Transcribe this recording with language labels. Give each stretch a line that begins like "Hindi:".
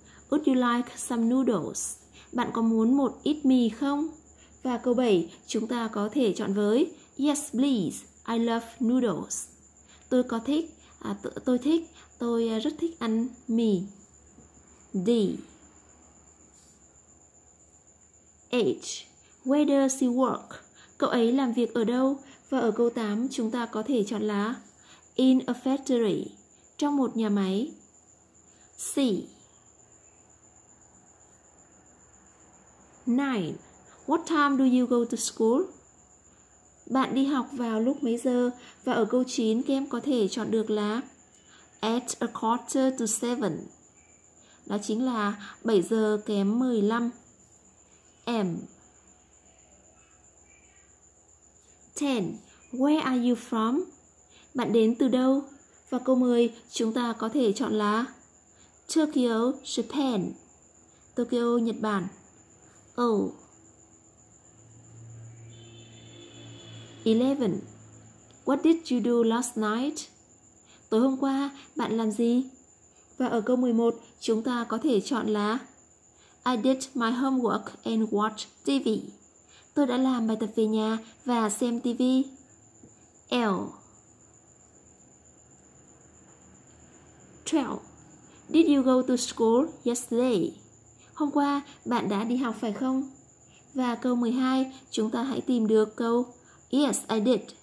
English: Would you like some noodles?
Vietnamese: Bạn có muốn một ít mì không? Và câu 7, chúng ta có thể chọn với
English: Yes, please. I love noodles.
Vietnamese: Tôi có thích, tôi rất thích ăn mì. D. H.
English: Where does he work?
Vietnamese: Cậu ấy làm việc ở đâu? Và ở câu 8, chúng ta có thể chọn là
English: In a factory.
Vietnamese: Trong một nhà máy. C. 9.
English: What time do you go to school?
Vietnamese: Bạn đi học vào lúc mấy giờ? Và ở câu 9, các em có thể chọn được là
English: At a quarter to seven.
Vietnamese: Đó chính là 7 giờ kém 15. M. 10.
English: Where are you from?
Vietnamese: Bạn đến từ đâu? Và câu 10, chúng ta có thể chọn là
English: Tokyo, Japan.
Vietnamese: Tokyo, Nhật Bản. O. 11.
English: What did you do last night?
Vietnamese: Tối hôm qua, bạn làm gì? Và ở câu 11, chúng ta có thể chọn là
English: I did my homework and watched TV.
Vietnamese: Tôi đã làm bài tập về nhà và xem TV. L. 12.
English: Did you go to school yesterday?
Vietnamese: Hôm qua, bạn đã đi học phải không? Và câu 12, chúng ta hãy tìm được câu
English: Yes, I did.